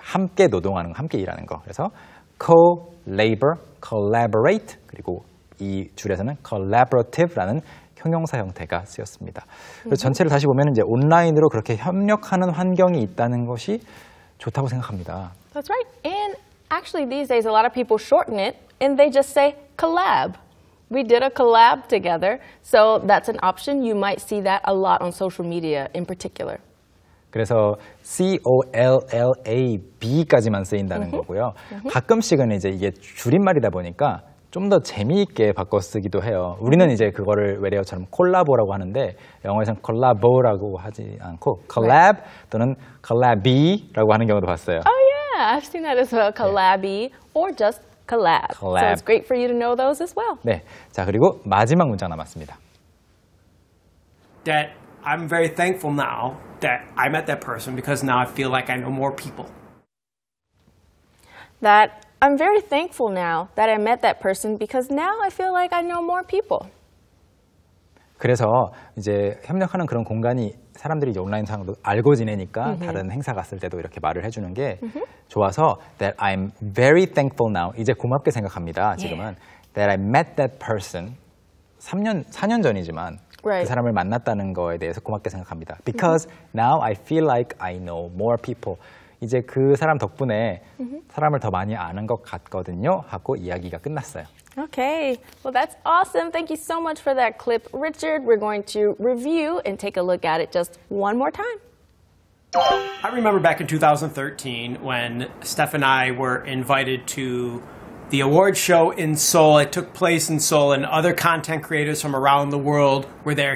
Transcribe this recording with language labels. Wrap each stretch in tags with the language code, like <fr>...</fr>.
<ko>함께 노동하는 거, 함께 일하는 거. 그래서 co, labor, collaborate, 그리고 이 줄에서는 collaborative라는 형용사 형태가 쓰였습니다. 그래서 전체를 다시 보면 이제 온라인으로 그렇게 협력하는 환경이 있다는 것이 좋다고 생각합니다.</ko> <en>That's right. And actually these days a lot of people shorten it and they just say collab. We did a collab together. So that's an option. You might see that a lot on social media in particular.</en> <ko>그래서 collab까지만 쓰인다는 거고요. 가끔씩은 이제 이게 줄임말이다 보니까 좀 더 재미있게 바꿔 쓰기도 해요. 우리는 이제 그거를 외래어처럼 콜라보라고 하는데 영어에서는 콜라보라고 하지 않고 collab 또는 collab-y라고 하는 경우도 봤어요.</ko> <en>Oh yeah, I've seen that as well. Collab-y or just collab. Collab. So it's great for you to know those as well.</en> <ko>네, 자 그리고 마지막 문장 남았습니다.</ko> <en>That I'm very thankful now that I met that person because now I feel like I know more people. That I'm very thankful now that I met that person because now I feel like I know more people.</en> <ko>그래서 이제 협력하는 그런 공간이 사람들이 이제 온라인상도 알고 지내니까 다른 행사 갔을 때도 이렇게 말을 해주는 게 좋아서</ko> <en>that I'm very thankful now</en> <ko>이제 고맙게 생각합니다. 지금은 yeah.</ko> <en>that I met that person</en> <ko>3년 4년 전이지만</ko> <en>right.</en> <ko>그 사람을 만났다는 거에 대해서 고맙게 생각합니다.</ko> <en>Because now I feel like I know more people.</en> <ko>이제 그 사람 덕분에 사람을 더 많이 아는 것 같거든요. 하고 이야기가 끝났어요.</ko> <en>Okay. Well, that's awesome. Thank you so much for that clip, Richard. We're going to review and take a look at it just one more time. I remember back in 2013 when Steph and I were invited to the award show in Seoul. It took place in Seoul and other content creators from around the world were there.</en>